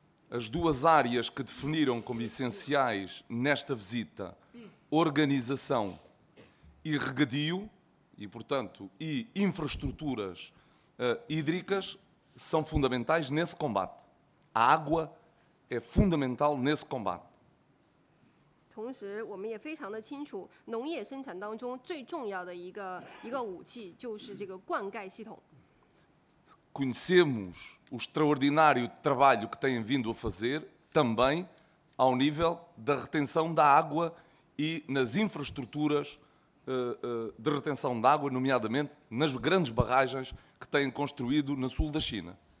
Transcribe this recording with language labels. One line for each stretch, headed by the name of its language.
Portuguese: As duas áreas que definiram como essenciais nesta visita, organização e regadio, e, portanto, e infraestruturas hídricas, são fundamentais nesse combate. A água é fundamental nesse combate.
Chinese: 同时，我们也非常的清楚，农业生产当中最重要的一个武器就是这个灌溉系统。
Portuguese: Conhecemos o extraordinário trabalho que têm vindo a fazer também ao nível da retenção da água e nas infraestruturas de retenção de água, nomeadamente nas grandes barragens que têm construído no sul da China.